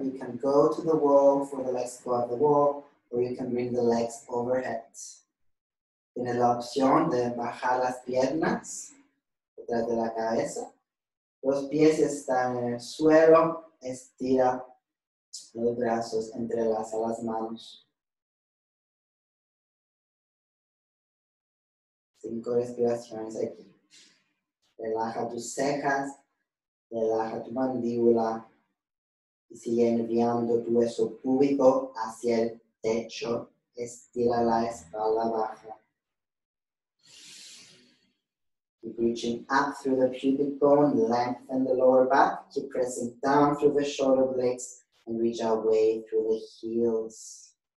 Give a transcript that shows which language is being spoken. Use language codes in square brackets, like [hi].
[en] You can go to the wall for the legs to go up the wall. Or you can bring the legs overhead. [es] Tienes la opción de bajar las piernas detrás de la cabeza. Los pies están en el suelo, estira los brazos, entrelaza las manos. Cinco respiraciones aquí. Relaja tus cejas, relaja tu mandíbula y sigue enviando tu hueso púbico hacia el techo. Estira la espalda baja. [en] Keep reaching up through the pubic bone, lengthen the lower back. Keep pressing down through the shoulder blades and reach our way through the heels.